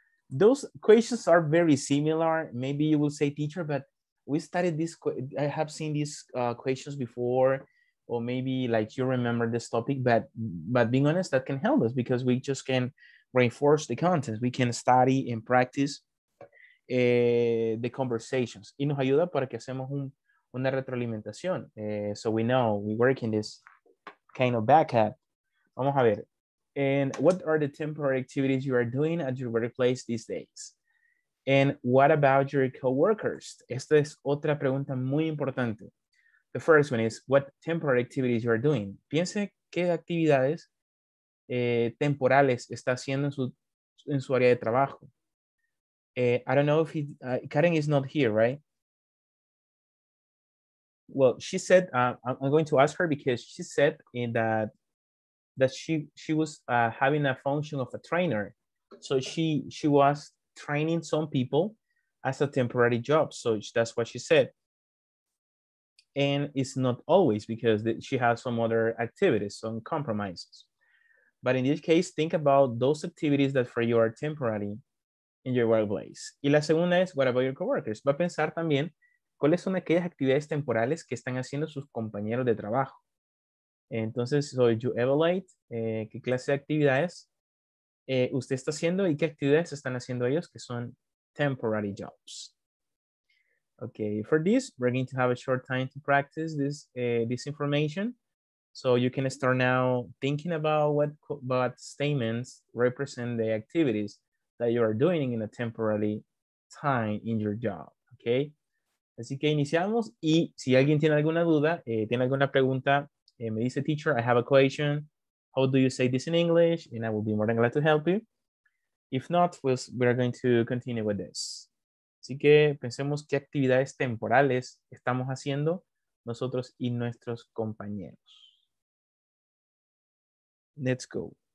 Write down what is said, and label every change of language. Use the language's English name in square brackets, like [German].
[English] Those questions are very similar. Maybe you will say, teacher, but we studied this, I have seen these questions before, or maybe like you remember this topic, but being honest, that can help us because we just can reinforce the content. We can study and practice the conversations. [Spanish] Y nos ayuda para que hacemos una retroalimentación. [English] So we know we work in this kind of back hat. [Spanish] Vamos a ver. [English] And what are the temporary activities you are doing at your workplace these days? And what about your coworkers? [Spanish] Esta es otra pregunta muy importante. [English] The first one is what temporary activities you are doing. [Spanish] Piense qué actividades temporales está haciendo en su área de trabajo. [English] I don't know if Karen is not here, right? Well, she said, I'm going to ask her because she said that she was having a function of a trainer. So she was training some people as a temporary job. So that's what she said. And it's not always because she has some other activities, some compromises. But in this case, think about those activities that for you are temporary in your workplace. [Spanish] Y la segunda es, [English] what about your coworkers? [Spanish] Va a pensar también, ¿cuáles son aquellas actividades temporales que están haciendo sus compañeros de trabajo? Entonces, [English] so you evaluate [Spanish] qué clase de actividades usted está haciendo y qué actividades están haciendo ellos que son temporary jobs. [English] Okay, for this, we're going to have a short time to practice this, this information. So you can start now thinking about what statements represent the activities that you are doing in a temporary time in your job, okay? [Spanish] Así que iniciamos, y si alguien tiene alguna duda, tiene alguna pregunta, me dice, [English] teacher, I have a question. How do you say this in English? And I will be more than glad to help you. If not, pues, we are going to continue with this. [Spanish] Así que pensemos qué actividades temporales estamos haciendo nosotros y nuestros compañeros. [English] Let's go.